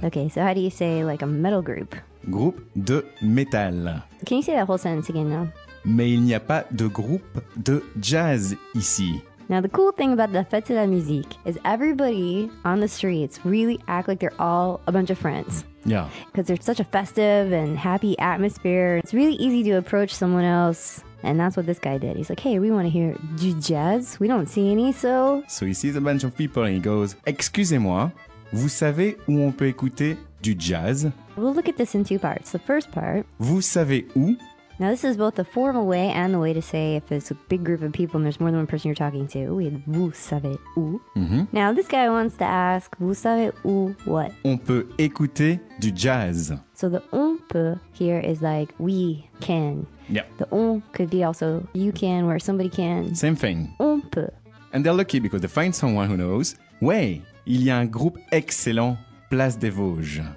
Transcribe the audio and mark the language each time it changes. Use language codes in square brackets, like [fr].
[en] Okay, so how do you say like a metal group? [fr] Groupe de métal. [en] Can you say that whole sentence again now? [fr] Mais il n'y a pas de groupe de jazz ici. [en] Now the cool thing about La Fête de la Musique is everybody on the streets really act like they're all a bunch of friends. Yeah. Because there's such a festive and happy atmosphere. It's really easy to approach someone else. And that's what this guy did. He's like, hey, we want to hear du jazz. We don't see any, so... So he sees a bunch of people and he goes, [fr] excusez-moi, vous savez où on peut écouter du jazz? [en] We'll look at this in two parts. The first part... [fr] Vous savez où? [en] Now, this is both the formal way and the way to say if it's a big group of people and there's more than one person you're talking to. We have [fr] vous savez où. [en] Mm-hmm. Now, this guy wants to ask, [fr] vous savez où [en] what? [fr] On peut écouter du jazz. [en] So the [fr] on peut [en] here is like we can. Yeah. The on could be also you can or somebody can. Same thing. [fr] On peut. [en] And they're lucky because they find someone who knows. [fr] Ouais, il y a un groupe excellent, Place des Vosges.